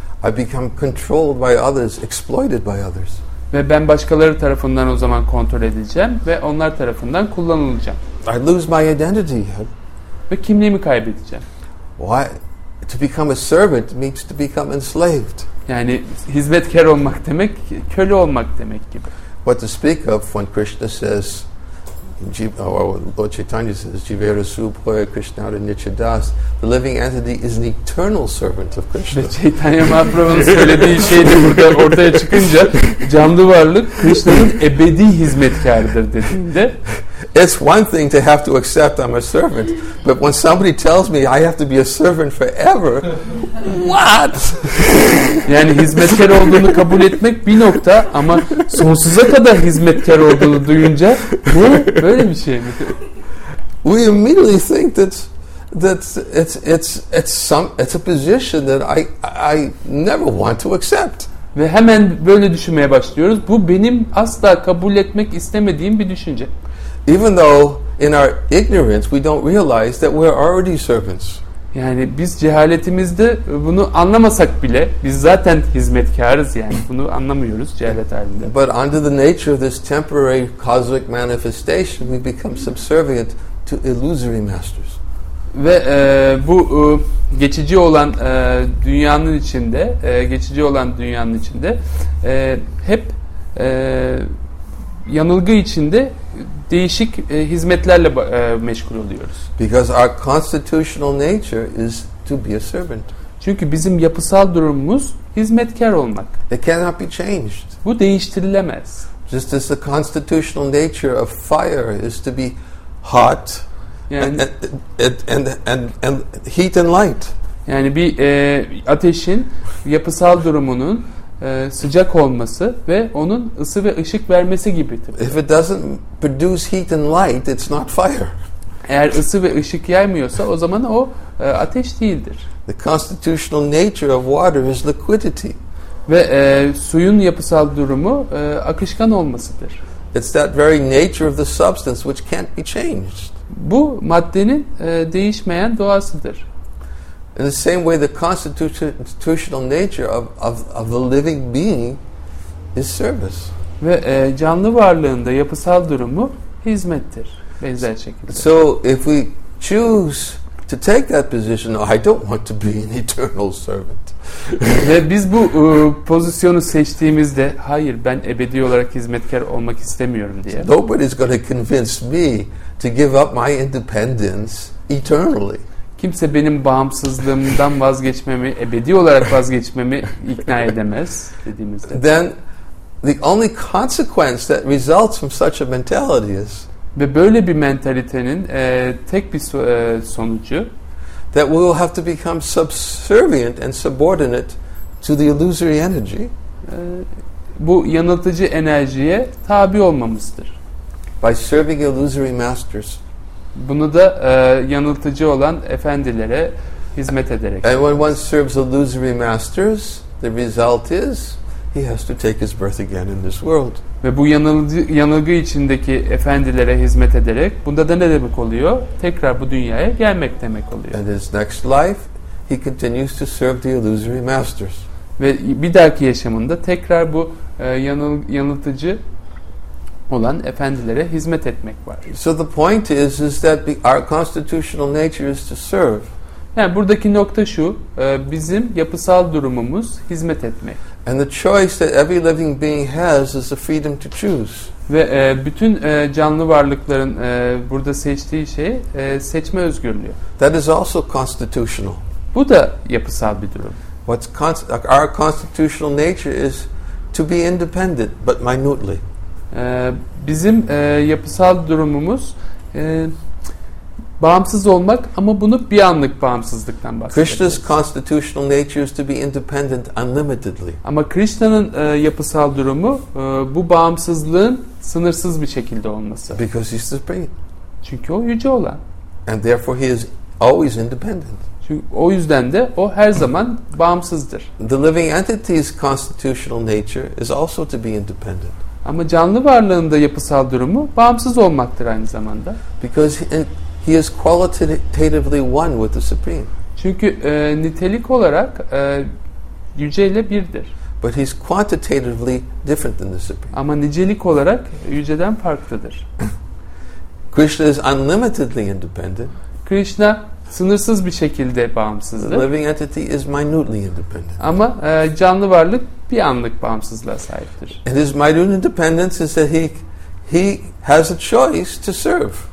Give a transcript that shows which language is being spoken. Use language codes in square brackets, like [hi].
[en] I become controlled by others, exploited by others. [tr] Ve ben başkaları tarafından o zaman kontrol edileceğim ve onlar tarafından kullanılacağım. [en] I lose my identity. [tr] Ve kimliğimi kaybedeceğim. [en] Why? To become a servant means to become enslaved. [tr] Yani hizmetkar olmak demek köle olmak demek gibi. [en] What to speak of when Krishna says, Lord Chaitanya says, [bn] Jivera Supoya Krishnada Nichadas, [en] the living entity is an eternal servant of Krishna. [tr] Chaitanya Mahaprabhu'nun söylediği şey de burada ortaya çıkınca, canlı varlık Krishna'nın ebedi hizmetkarıdır dediğinde, [en] it's one thing to have to accept I'm a servant, but when somebody tells me I have to be a servant forever, what? [tr] Yani hizmetkar olduğunu kabul etmek bir nokta ama sonsuza kadar hizmetkar olduğunu duyunca bu böyle bir şey mi? [en] We immediately think that it's a position that I never want to accept. [tr] Ve hemen böyle düşünmeye başlıyoruz. Bu benim asla kabul etmek istemediğim bir düşünce. [en] Even though in our ignorance we don't realize that we're already servants. [tr] Yani biz cehaletimizde bunu anlamasak bile biz zaten hizmetkarız yani bunu anlamıyoruz cehalet halinde. [en] But under the nature of this temporary cosmic manifestation we become subservient to illusory masters. [tr] Ve bu geçici olan dünyanın içinde geçici olan dünyanın içinde hep yanılgı içinde değişik hizmetlerle meşgul oluyoruz. [en] Because our constitutional nature is to be a servant. [tr] Çünkü bizim yapısal durumumuz hizmetkar olmak. [en] It cannot be changed. [tr] Bu değiştirilemez. [en] Just as the constitutional nature of fire is to be hot yani, and heat and light. [tr] Yani bir ateşin yapısal durumunun sıcak olması ve onun ısı ve ışık vermesi gibi. [en] If it doesn't produce heat and light, it's not fire. [tr] Eğer ısı ve ışık yaymıyorsa o zaman o ateş değildir. [en] The constitutional nature of water is liquidity. [tr] Ve suyun yapısal durumu akışkan olmasıdır. [en] It's that very nature of the substance which can't be changed. [tr] Bu maddenin değişmeyen doğasıdır. [en] In the same way, the constitutional nature of the living being is service. [tr] Ve canlı varlığında yapısal durumu hizmettir, benzer şekilde. [en] So if we choose to take that position, I don't want to be an eternal servant. [tr] Ve biz bu pozisyonu seçtiğimizde, hayır, ben ebedi olarak hizmetkar olmak istemiyorum diye. [en] So nobody's going to convince me to give up my independence eternally. [tr] Kimse benim bağımsızlığımdan vazgeçmemi, ebedi olarak vazgeçmemi ikna edemez dediğimizde. [en] Then the only consequence that results from such a mentality is [tr] ve böyle bir mentalitenin tek bir sonucu [en] that we will have to become subservient and subordinate to the illusory energy. [tr] Bu yanıltıcı enerjiye tabi olmamızdır. [en] By serving illusory masters. [tr] Bunu da yanıltıcı olan efendilere hizmet ederek. [en] And when one serves illusory masters, the result is he has to take his birth again in this world. [tr] Ve bu yanılgı içindeki efendilere hizmet ederek bunda da ne demek oluyor? Tekrar bu dünyaya gelmek demek oluyor. [en] And his next life, he continues to serve the illusory masters. [tr] Ve bir dahaki yaşamında tekrar bu yanıltıcı olan efendilere hizmet etmek var. [en] So the point is that our constitutional nature is to serve. [tr] Yani buradaki nokta şu, bizim yapısal durumumuz hizmet etmek. [en] And the choice that every living being has is the freedom to choose. [tr] Ve bütün canlı varlıkların burada seçtiği şey seçme özgürlüğü. [en] That is also constitutional. [tr] Bu da yapısal bir durum. [en] Our constitutional nature is to be independent, but minutely. [tr] Bizim yapısal durumumuz bağımsız olmak ama bunu bir anlık bağımsızlıktan bahsediyoruz. [en] Krishna's constitutional nature is to be independent unlimitedly. [tr] Ama Krishna'nın yapısal durumu bu bağımsızlığın sınırsız bir şekilde olması. [en] Because he's supreme. [tr] Çünkü o yüce olan. [en] And therefore he is always independent. [tr] Çünkü o yüzden de o her zaman bağımsızdır. [en] The living entity's constitutional nature is also to be independent. [tr] Ama canlı varlığın da yapısal durumu bağımsız olmaktır aynı zamanda. [en] Because he is qualitatively one with the supreme. [tr] Çünkü nitelik olarak yüceyle birdir. [en] But he's quantitatively different than the supreme. [tr] Ama nicelik olarak yüceden farklıdır. [en] Krishna is unlimitedly independent. [tr] Krishna sınırsız bir şekilde bağımsızdır. [en] The living entity is minutely independent. [tr] Ama canlı varlık bir anlık bağımsızlığa sahiptir. [en] And his minute independence is that he has a choice to serve.